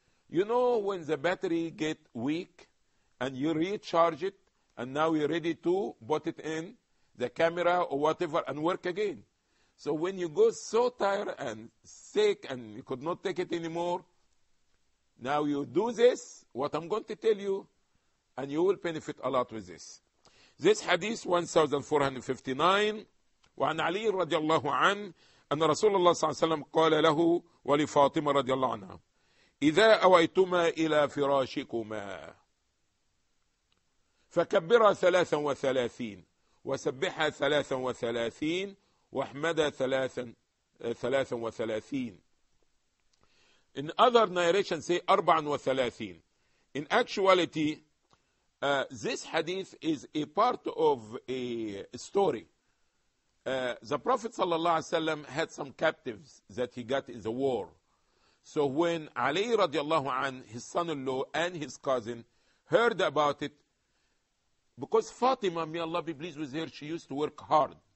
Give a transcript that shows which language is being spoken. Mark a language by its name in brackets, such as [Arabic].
[English] You know when the battery get weak and you recharge it and now you're ready to put it in the camera or whatever and work again. So when you go so tired and sick and you could not take it anymore, now you do this, what I'm going to tell you, and you will benefit a lot with this. [Arabic] This hadith 1459, وعن علي رضي الله عنه أن رسول الله صلى الله عليه وسلم قال له ولفاطمة رضي الله عنها إذا أويتما إلى فراشكما فكبرا 33 وسبحا 33 واحمدا 33. [English] In other narration say 34. In actuality, this hadith is a part of a story. The Prophet sallallahu alaihi wasallam had some captives that he got in the war. So when Ali radiallahu an, his son-in-law and his cousin heard about it, because Fatima, may Allah be pleased with her, she used to work hard.